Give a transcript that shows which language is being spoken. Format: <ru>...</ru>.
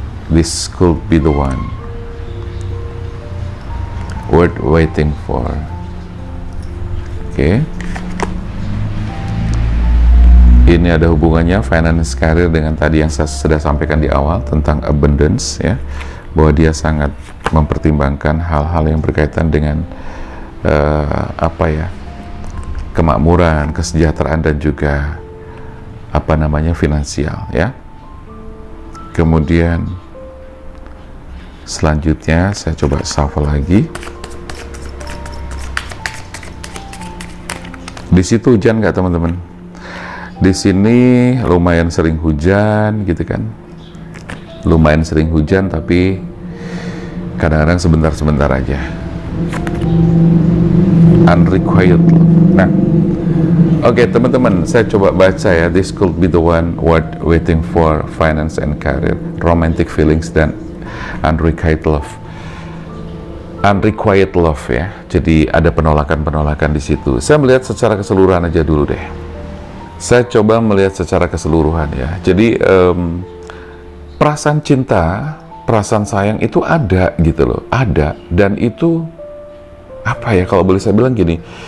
<en>This could be the one worth waiting for. Okay.</en> <id>Ini ada hubungannya finance career dengan tadi yang saya sudah sampaikan di awal tentang abundance ya, bahwa dia sangat mempertimbangkan hal-hal yang berkaitan dengan kemakmuran, kesejahteraan dan juga finansial ya. Kemudian selanjutnya saya coba shuffle lagi. Di situ hujan nggak teman-teman? Di sini lumayan sering hujan gitu kan, lumayan sering hujan tapi kadang-kadang sebentar-sebentar aja. Unrequited. Nah, oke teman-teman, saya coba baca ya.</id> <en>This could be the one worth waiting for, finance and career, romantic feelings dan unrequited love.</en> <id>Unrequited love ya. Jadi ada penolakan-penolakan di situ. Saya melihat secara keseluruhan aja dulu deh. Saya coba melihat secara keseluruhan ya. Jadi perasaan cinta, perasaan sayang itu ada gitu loh. Ada, dan itu apa ya, kalau boleh saya bilang gini.</id>